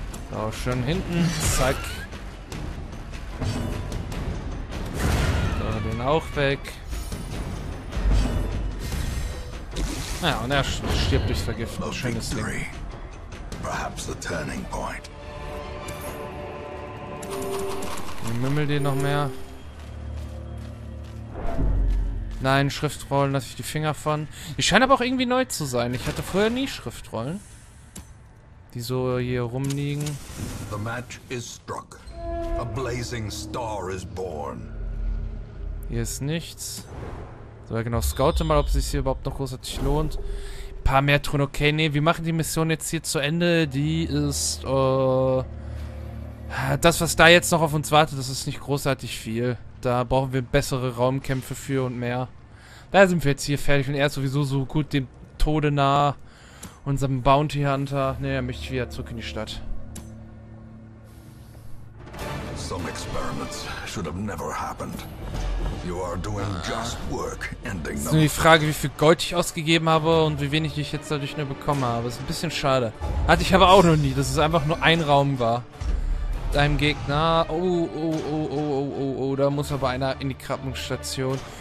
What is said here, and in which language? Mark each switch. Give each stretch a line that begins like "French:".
German: So, schön hinten. Zack. So, den auch weg. Ja, und er stirbt durchs Vergiften. Schönes Ding.
English: Perhaps the turning point.
German: Ich mümmel den noch mehr. Nein, Schriftrollen lasse ich die Finger von. Die scheinen aber auch irgendwie neu zu sein. Ich hatte vorher nie Schriftrollen. Die so hier rumliegen.
English: The match is struck. A blazing star is born.
German: Hier ist nichts. So, genau, scoute mal, ob es sich hier überhaupt noch großartig lohnt. Ein paar mehr Truhen, okay, nee, wir machen die Mission jetzt hier zu Ende. Die ist, das, was da jetzt noch auf uns wartet, das ist nicht großartig viel. Da brauchen wir bessere Raumkämpfe für und mehr. Da sind wir jetzt hier fertig und er ist sowieso so gut dem Tode nah. Unserem Bounty Hunter. Nee, er möchte wieder zurück in die Stadt.
English: Some experiments should have never happened. You are doing just work, ending the...
German: Ist nur die Frage, wie viel Gold ich ausgegeben habe und wie wenig ich jetzt dadurch nur bekommen habe. Ist ein bisschen schade. Hatte ich aber auch noch nie, dass es einfach nur ein Raum war. Deinem Gegner. Oh, da muss aber einer in die Krabbenstation.